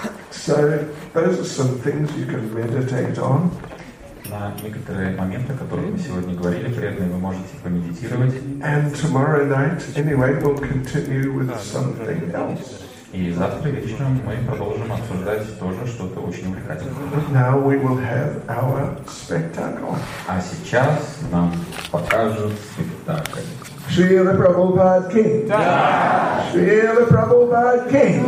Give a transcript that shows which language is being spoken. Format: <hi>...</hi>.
<en>So those are some things you can meditate on.</en> <ru>На некоторые моменты, о которых мы сегодня говорили, преданные, вы можете помедитировать.</ru> <en>And tomorrow night, anyway, we'll continue with something else.</en> <ru>И завтра вечером мы продолжим обсуждать тоже что-то очень увлекательное.</ru> <en>Now we will have our spectacle.</en> <ru>А сейчас нам покажут спектакль.</ru> <en>Shri Prabhupada King. Jai. Shri Prabhupada King.</en>